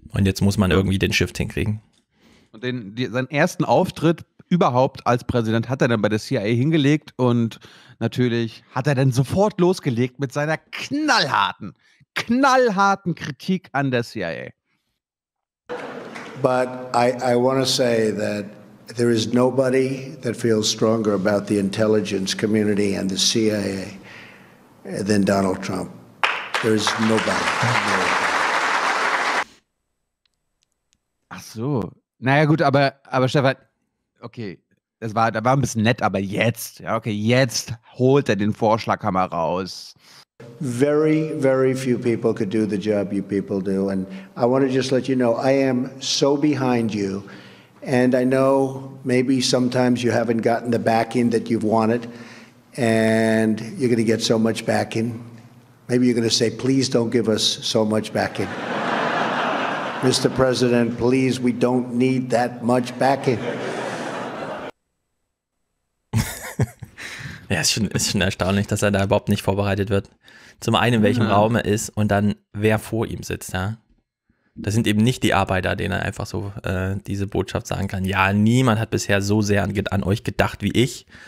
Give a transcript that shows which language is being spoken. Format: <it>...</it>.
<de>Und jetzt muss man irgendwie den Shift hinkriegen. Und seinen ersten Auftritt überhaupt als Präsident hat er dann bei der CIA hingelegt und natürlich hat er dann sofort losgelegt mit seiner knallharten Kritik an der CIA.</de> <en>But I want to say that there is nobody that feels stronger about the intelligence community and the CIA than Donald Trump. There is nobody.</en> <de>Ach so. Naja gut, aber Stefan, okay, das war ein bisschen nett, aber jetzt, ja, okay, jetzt holt er den Vorschlaghammer raus.</de> <en>Very, very few people could do the job you people do. And I want to just let you know, I am so behind you. And I know maybe sometimes you haven't gotten the backing that you've wanted. And you're going to get so much backing. Maybe you're going to say, please don't give us so much backing. Mr. President, please, we don't need that much backing.</en> <de>Ja, ist schon erstaunlich, dass er da überhaupt nicht vorbereitet wird. Zum einen, in welchem Raum er ist und dann, wer vor ihm sitzt, ja. Das sind eben nicht die Arbeiter, denen er einfach so diese Botschaft sagen kann. Ja, niemand hat bisher so sehr an euch gedacht wie ich.</de>